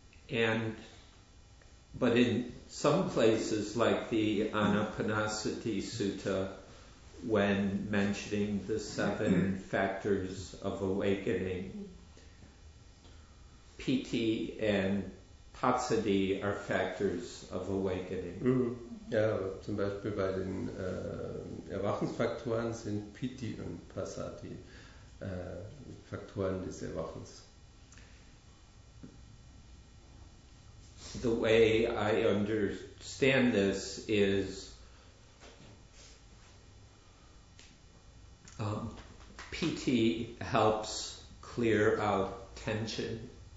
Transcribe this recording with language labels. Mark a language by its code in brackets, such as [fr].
[en] And, but in some places, like the Anapanasati Sutta, when mentioning the seven factors of awakening, piti and patsadi are factors of awakening. Mm-hmm. [de] Yeah, zum Beispiel bei den Erwachensfaktoren sind piti und patsadi Faktoren des Erwachens. [en] The way I understand this is PT helps clear out tension.